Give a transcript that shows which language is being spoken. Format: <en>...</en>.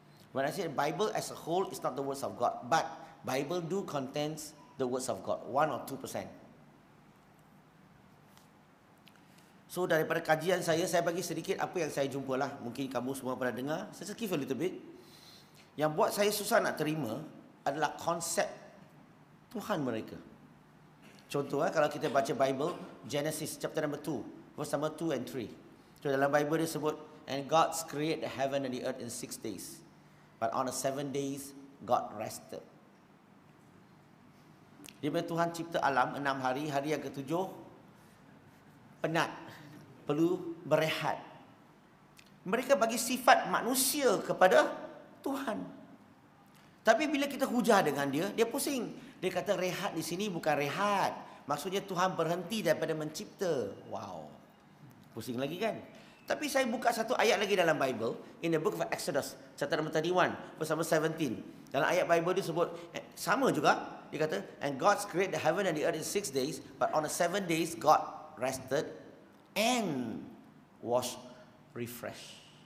<en>When I say Bible as a whole, it's not the words of God. But Bible do contains the words of God. 1 or 2%.</en> <ms>So daripada kajian saya, saya bagi sedikit apa yang saya jumpalah. Mungkin kamu semua pernah dengar. Saya</ms> <en>just give a little bit.</en> <ms>Yang buat saya susah nak terima adalah konsep Tuhan mereka. Contoh, kalau kita baca Bible,</ms> <en>Genesis chapter number 2, verse number 2 and 3.</en> <ms>So dalam Bible dia sebut,</ms> <en>and God created the heaven and the earth in 6 days. But on the 7 days, God rested.</en> <ms>Dia punya Tuhan cipta alam 6 hari, hari yang ketujuh, penat, perlu berehat. Mereka bagi sifat manusia kepada Tuhan. Tapi bila kita hujah dengan dia, dia pusing. Dia kata rehat di sini bukan rehat. Maksudnya Tuhan berhenti daripada mencipta. Wow. Pusing lagi kan? Tapi saya buka satu ayat lagi dalam Bible.</ms> <en>In the book of Exodus, chapter 31, verse 17.</en> <ms>Dalam ayat Bible dia sebut, sama juga. Dia kata,</ms> <en>and God created the heaven and the earth in 6 days, but on the 7 days, God rested and was refreshed.</en>